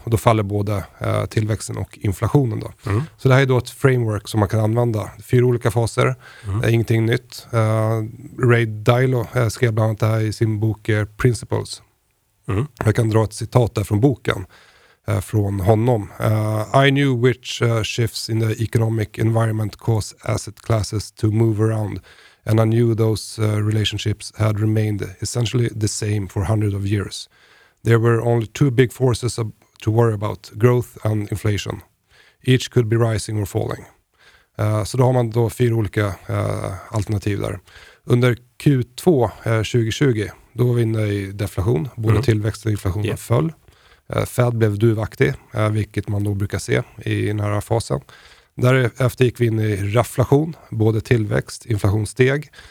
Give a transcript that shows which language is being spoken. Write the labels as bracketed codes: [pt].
[sv] Och då faller både tillväxten och inflationen. Då. Mm. Så det här är då ett framework som man kan använda. Fyra olika faser. Mm. Ingenting nytt. Ray Dalio skrev bland annat det här i sin bok Principles. Mm. Jag kan dra ett citat där från boken. Från honom. [en] I knew which shifts in the economic environment cause asset classes to move around. And I knew those relationships had remained essentially the same for hundreds of years. There were only two big forces to worry about, growth and inflation. Each could be rising or falling. [sv] Så då har man då fyra olika alternativ där. Under Q2 2020, då var vi inne i deflation. Både tillväxt och inflation föll. Fed blev duvaktig, vilket man då brukar se i den här fasen. Därefter gick vi in i reflation, både tillväxt och inflation steg.